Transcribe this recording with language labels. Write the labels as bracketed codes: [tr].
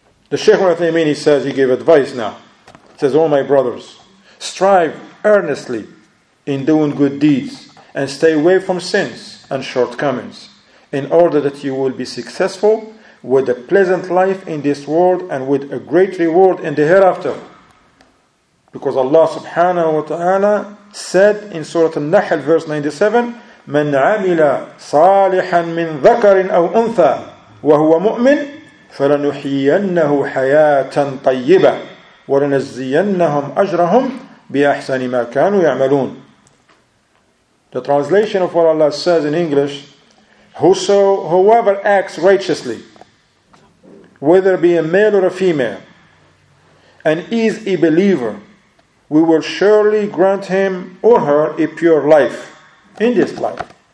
[en] The Shaykh Uthaymeen, he says, he gave advice now. He says, oh my brothers, strive earnestly in doing good deeds and stay away from sins and shortcomings in order that you will be successful with a pleasant life in this world and with a great reward in the hereafter. Because Allah subhanahu wa ta'ala said in Surah An-Nahl verse 97, [ar] من عمل صالحا من ذكر أو أنثى وهو مؤمن فلنحيينه حياة طيبة ولنزينهم أجرهم بأحسن ما كانوا يعملون. [en] The translation of what Allah says in English, whoever acts righteously, whether be a male or a female, and is a believer, we will surely grant him or her a pure life in this life.